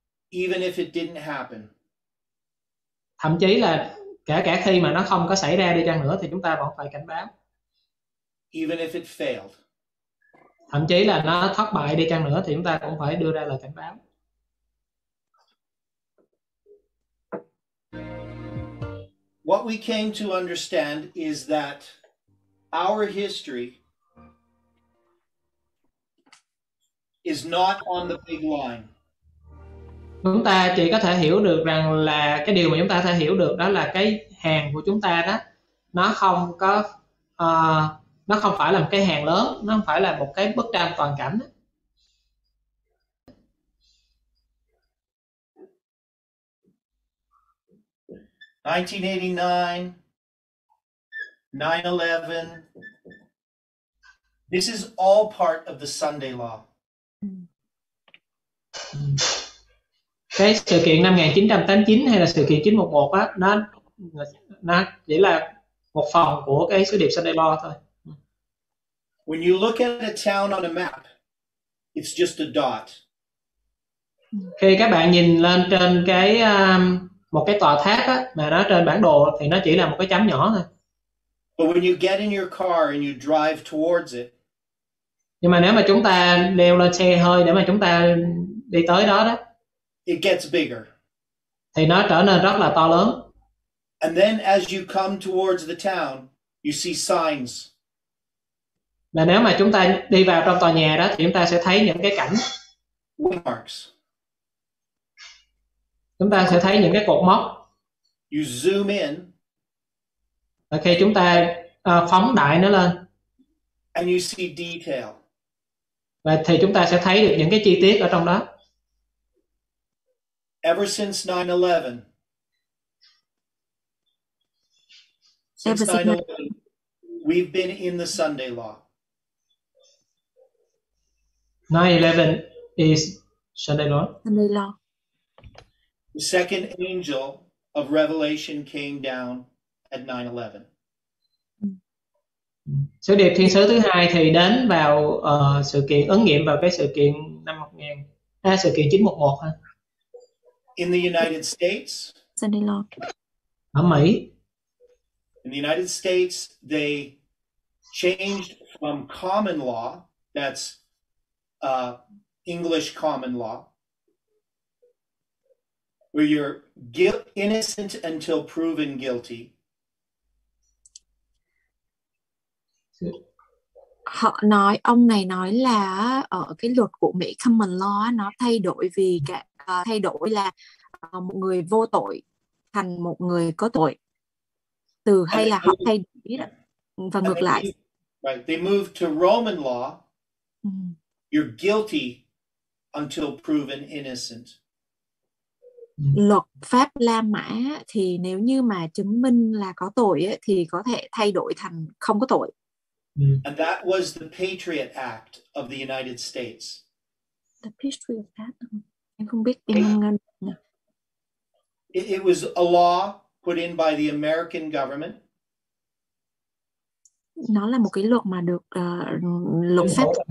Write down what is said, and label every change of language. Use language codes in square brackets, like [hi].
[en] Even if it didn't happen. [vi] Thậm chí là kể cả khi mà nó không có xảy ra đi chăng nữa thì chúng ta vẫn phải cảnh báo. [en] Even if it failed. [vi] Thậm chí là nó thất bại đi chăng nữa thì chúng ta cũng phải đưa ra lời cảnh báo. [en] What we came to understand is that our history is not on the big line. [vi] Chúng ta chỉ có thể hiểu được rằng là cái điều mà chúng ta có thể hiểu được đó là cái hàng của chúng ta đó nó không có nó không phải là một cái hàng lớn, nó không phải là một cái bức tranh toàn cảnh. [en] Nineteen 1989, 9/11. This is all part of the Sunday law. [vi] Cái sự kiện 1989 hay là sự kiện 911 á, nó chỉ là một phần của cái sứ điệp Sunday law thôi. [en] When you look at a town on a map, it's just a dot. [vi] Khi các bạn nhìn lên trên cái một cái tòa tháp á, mà nó trên bản đồ thì nó chỉ là một cái chấm nhỏ thôi. [en] But when you get in your car and you drive towards it, [vi] nhưng mà nếu mà chúng ta leo lên xe hơi để mà chúng ta đi tới đó đó, [en] it gets bigger. [vi] Thì nó trở nên rất là to lớn. [en] And then as you come towards the town, you see signs. [vi] Là nếu mà chúng ta đi vào trong tòa nhà đó thì chúng ta sẽ thấy những cái cảnh [en] landmarks. [vi] Chúng ta sẽ thấy những cái cột mốc. [en] You zoom in. [vi] Ok, chúng ta phóng đại nó lên. [en] And you see detail. [vi] Và thì chúng ta sẽ thấy được những cái chi tiết ở trong đó. [en] Ever since 9/11. Since 9/11, we've been in the Sunday law. 9/11 is Sunday law. Sunday law. The second angel of Revelation came down at 9/11. [vi] Sứ điệp thiên sứ thứ hai thì đến vào sự kiện ứng nghiệm vào cái sự kiện 5/11, sự kiện 9/11 ha. [en] In the United States. Sunday law. [vi] Ở Mỹ. [en] In the United States, they changed from common law, that's English common law, where you're innocent until proven guilty. [vi] Họ nói, ông này nói là ở cái luật của Mỹ common law nó thay đổi vì cả, thay đổi là một người vô tội thành một người có tội. Từ hay là họ thay đổi đó. Và ngược lại. [en] Right, they moved to Roman law. You're guilty until proven innocent. [vi] Luật pháp La Mã thì nếu như mà chứng minh là có tội ấy, thì có thể thay đổi thành không có tội. [en] And that was the Patriot Act of the United States. The Patriot Act? [vi] Em không biết tiếng Anh nữa. [en] It was a law put in by the American government. [vi] Nó là một cái luật mà được luật pháp